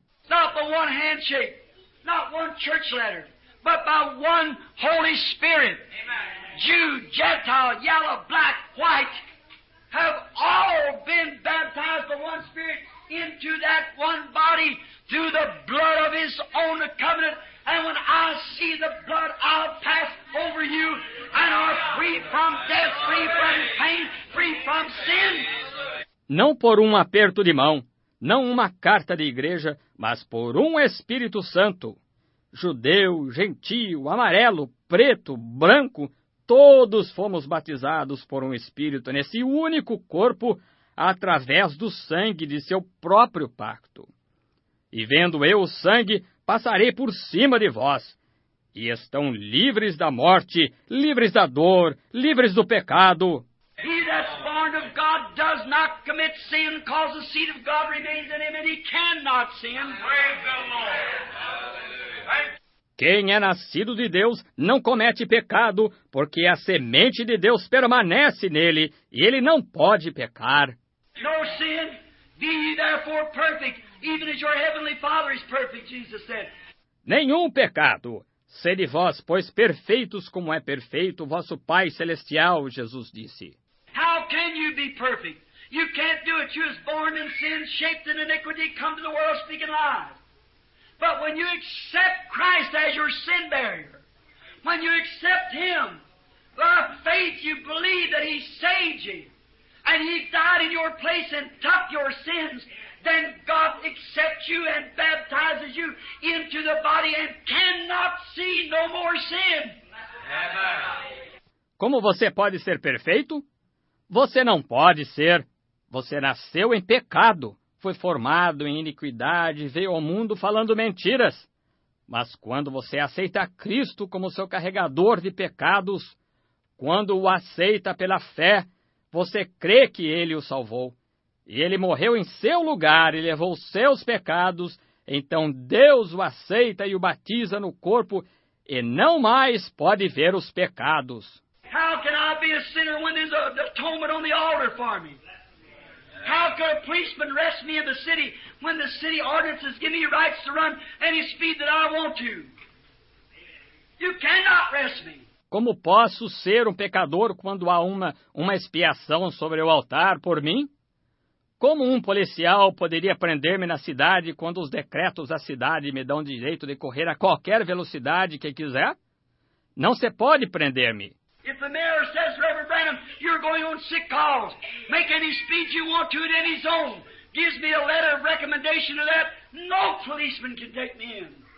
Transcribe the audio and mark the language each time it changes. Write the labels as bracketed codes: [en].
[en] Not by one handshake, not one church letter, but by one Holy Spirit. Amen. Jew, Gentile, yellow, black, white, have all been baptized by one Spirit into that one body through the blood of his own covenant. And when I see the blood, I'll pass over you and are free from death, free from pain, free from sin. [pt] Não por um aperto de mão, não uma carta de igreja, mas por um Espírito Santo. Judeu, gentio, amarelo, preto, branco, todos fomos batizados por um Espírito nesse único corpo, através do sangue de seu próprio pacto. E vendo eu o sangue, passarei por cima de vós, e estão livres da morte, livres da dor, livres do pecado. [en] He that's born of God does not commit sin, cause the seed of God remains in him, and he cannot sin. Praise the Lord. [pt] Quem é nascido de Deus não comete pecado, porque a semente de Deus permanece nele, e ele não pode pecar. [en] No sin, be ye therefore perfect, even as your heavenly Father is perfect, Jesus said. [pt] Nenhum pecado. Sede vós, pois, perfeitos como é perfeito vosso Pai Celestial, Jesus disse. [en] How can you be perfect? You can't do it. You was born in sin, shaped in iniquity, come to the world speaking lies. But when you accept Christ as your sin barrier, when you accept him, by faith you believe that he saved you, and he died in your place and took your sins, then God accepts you and baptizes you into the body and cannot see no more sin. [pt] Como você pode ser perfeito? Você não pode ser. Você nasceu em pecado. Foi formado em iniquidade, veio ao mundo falando mentiras. Mas quando você aceita Cristo como seu carregador de pecados, quando o aceita pela fé, você crê que ele o salvou. E ele morreu em seu lugar e levou seus pecados, então Deus o aceita e o batiza no corpo e não mais pode ver os pecados. [en] How can I be a sinner when there's an atonement on the altar for me? How could a policeman arrest me in the city when the city ordinances give me rights to run any speed that I want to? You cannot arrest me. [pt] Como posso ser um pecador quando há uma expiação sobre o altar por mim? Como um policial poderia prender-me na cidade quando os decretos da cidade me dão direito de correr a qualquer velocidade que quiser? Não se pode prender-me. [en] If the mayor says, Reverend Branham, you're going on sick calls. Make any speed you want to in any zone. Gives me a letter of recommendation of that, no policeman can take me in.